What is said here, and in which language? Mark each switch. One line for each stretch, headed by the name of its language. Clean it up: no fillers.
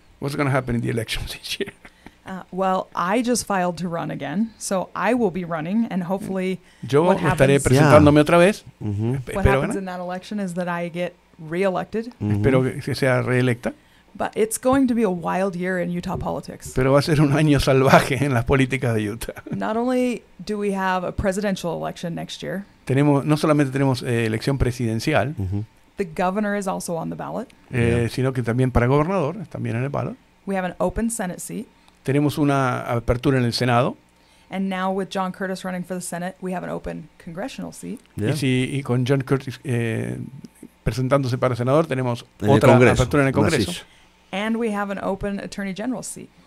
English: What's going to happen in the elections this year? Well, I just filed to run again, so I will be running, and hopefully
Spanish: yo
English: what happens,
Spanish: estaré presentándome otra vez. Mm-hmm.
English: What happens in that election is that I get reelected.
Spanish: Mm-hmm. Espero que sea reelecta.
English: But it's going to be a wild year in Utah politics.
Spanish: Pero va a ser un año salvaje en las políticas de Utah.
English: Not only do we have a presidential election next year.
Spanish: No solamente tenemos elección presidencial. Mm-hmm.
English: The governor is also on the ballot.
Spanish: Sino que también para gobernador, también en el ballot.
English: We have an open Senate seat.
Spanish: Tenemos una apertura en el Senado.
English: And now with John Curtis running for the Senate, we have an open congressional seat. Yeah.
Spanish: Y con John Curtis presentándose para senador, tenemos en otra apertura en el Congreso. Nasis.
English: And we have an open Attorney General seat.